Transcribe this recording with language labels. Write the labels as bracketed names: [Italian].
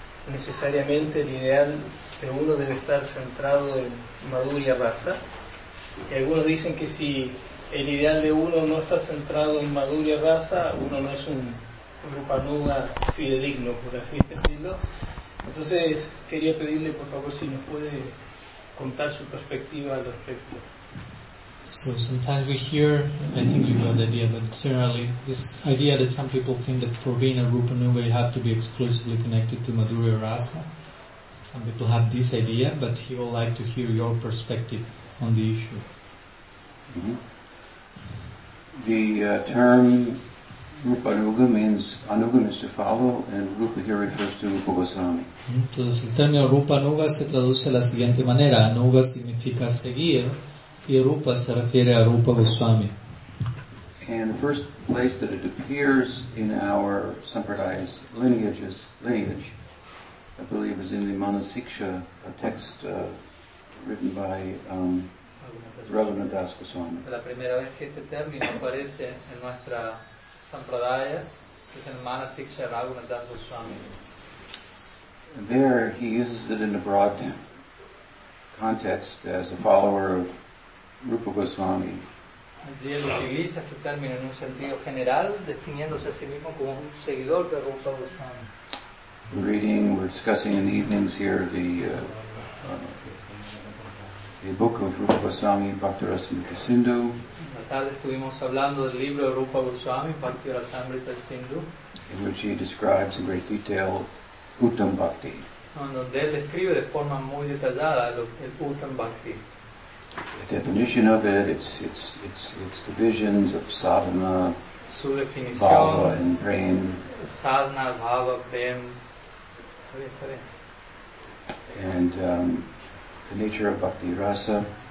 [Spanish] Necesariamente el ideal de uno debe estar centrado en madhurya rasa, y algunos dicen que si el ideal de uno no está centrado en madhurya rasa, uno no es un rupanuga fidedigno, por así decirlo. Entonces quería pedirle por favor si nos puede contar su perspectiva al respecto. [English] So sometimes we hear, I think you got the idea, but generally this idea that some people think that for being a Rupanuga you have to be exclusively connected to Madhurya Rasa. Some people have this idea, but he would like to hear your perspective on the issue. The term Rupanuga means Anuga means to follow, and Rupa here refers to Rupa Goswami. [Spanish] Entonces el término Rupanuga se traduce de la siguiente manera. Anuga significa seguir. Y Rupa se refiere a Rupa Goswami. [English] And the first place that it appears in our Sampradaya's lineage, I believe, is in the Manasiksha, a text written by Relishing the Bhagavata. [Spanish] La primera vez que este término aparece en nuestra Sampradaya es en Manasiksha Raghunatha Goswami. [English] There he uses it in a broad context as a follower of Rupa Goswami. [Spanish] Allí él utiliza este término en un sentido general, definiéndose a sí mismo como un seguidor de Rupa Goswami. [English] We're discussing in the evenings here the book of Rupa Goswami, Bhaktirasamrita Sindhu. [Spanish] En la tarde estuvimos hablando del libro de Rupa Goswami, Bhaktirasamrita Sindhu. [English] In which he describes in great detail Uttam Bhakti. [Spanish] Donde él describe de forma muy detallada el Uttam Bhakti. [English] The definition of it, its divisions of sadhana, [Spanish] su definición, [English] bhava, and prem. [Spanish] Sadhana, bhava, prem. [English] And the nature of bhakti rasa.